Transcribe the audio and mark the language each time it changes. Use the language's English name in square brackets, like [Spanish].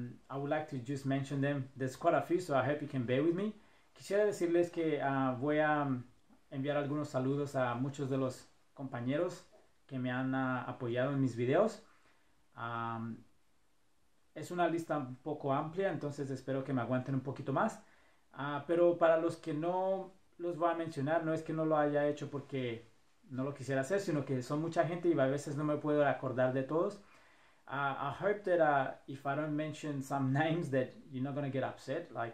[English] I would like to just mention them. There's quite a few, so I hope you can bear with me. [Spanish] Quisiera decirles que voy a enviar algunos saludos a muchos de los compañeros que me han apoyado en mis videos. Es una lista un poco amplia, entonces espero que me aguanten un poquito más. Pero para los que no los voy a mencionar, no es que no lo haya hecho porque no lo quisiera hacer, sino que son mucha gente y a veces no me puedo acordar de todos. [English] I hope that if I don't mention some names that you're not going to get upset.